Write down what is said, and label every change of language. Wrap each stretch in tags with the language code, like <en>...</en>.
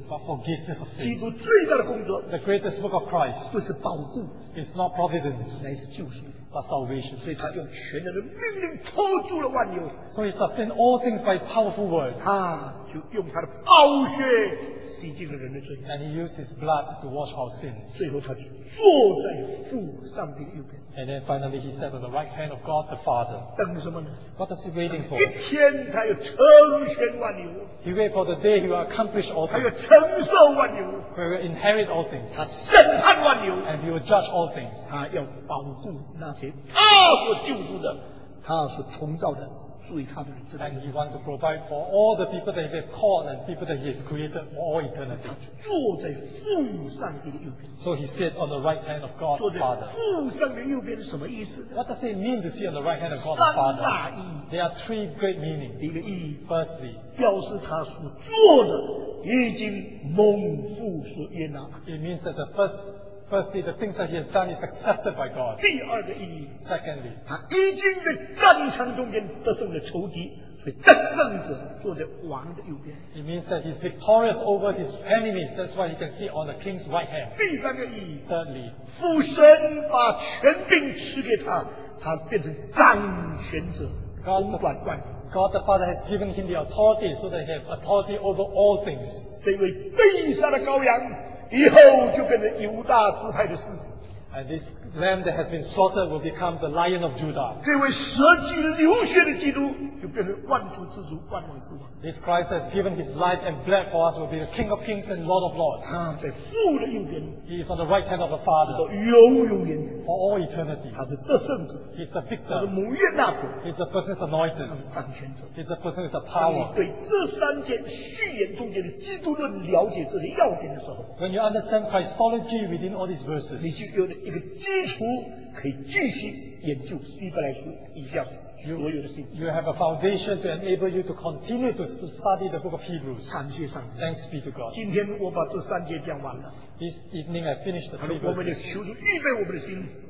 <en>but forgiveness of</en> <zh>sin. 基督最大的工作,</zh> <en>the greatest work of Christ,</en> <zh>不是保护,</zh> <en>is not providence,</en> <zh>乃是救赎,</zh> <en>but salvation.</en> <zh>所以他用全能的命令托住了万有,</zh> <en>so he sustained all things by his powerful word.</en> <zh>他就用他的宝血洗净了人的罪,</zh> <en>and he used his blood to wash our sins.</en> <zh>最后他坐在父上帝的右边,</zh> <en>and then finally he sat on the right hand of God the Father.</en> <zh>等什么呢?</zh> <en>What is he waiting for?</en> <zh>一天他要成全万有,</zh> <en>he waited for the day he will accomplish all things.</en> <zh>他要承受万有,</zh> <en>he will inherit all things.</en> <zh>他审判万有,</zh> <en>and he will judge all things.</en> <zh>他要保护那些他所救赎的, 他所重造的, 属于他的人,</zh> <en>and he wants to provide for all the people that he has called and people that he has created for all eternity.</en> <zh>他坐在父上帝的右边,</zh> <en>so he sits on the right hand of God the Father.</en> <zh>坐在父上帝的右边是什么意思?</zh> <en>What does it mean to sit on the right hand of God the Father?</en> <zh>三大意,</zh> <en>there are three great meanings.</en> <zh>第一个意义,</zh> <en>firstly,</en> <zh>表示他所做的已经蒙父所悦纳,</zh> <en>it means that firstly, the things that he has done is accepted by God.</en> <zh>第二个意义,</zh> <en>secondly,</en> <zh>他已经在战场中间得胜了仇敌, 所以战胜者坐在王的右边,</zh> <en>it means that he's victorious over his enemies. That's why he can sit on the king's right hand.</en> <zh>第三个意义,</zh> <en>thirdly,</en> <zh>父神把权柄赐给他, 他变成掌权者, 统管万有。</zh> <en>God the Father has given him the authority so that he has authority over all things.</en> <zh>这位被杀的羔羊以后就变成犹大支派的狮子。</zh> <en>And this lamb that has been slaughtered will become the lion of Judah.</en> <zh>这位舍己流血的基督就变成万主之主、万王之王。</zh> <en>This Christ that has given his life and blood for us will be the King of Kings and Lord of Lords.</en> <zh>他在父的右边。</zh> <en>He is on the right hand of the Father.</en> <zh>到永永远远。</zh> <en>For all eternity.</en> <zh>他是得胜者。</zh> <en>He is the victor.</en> <zh>他是蒙悦纳者。</zh> <en>He is the person who's anointed.</en> <zh>他是掌权者。</zh> <en>He is the person with the power.</en> <zh>当你对这三件序言中间的基督论了解这些要点的时候</zh> <en>，When you understand Christology within all these verses，</en> <zh>你就有了一个基础可以继续研究希伯来书以下所有的信息。</zh> <en>You have a foundation to enable you to continue to study the book of Hebrews.</en> <zh>感谢上帝。</zh> <en>Thanks be to God.</en> <zh>今天我把这三节讲完了。</zh> <en>This evening I finished the three verses.</en> <zh>我们就求主预备我们的心。</zh>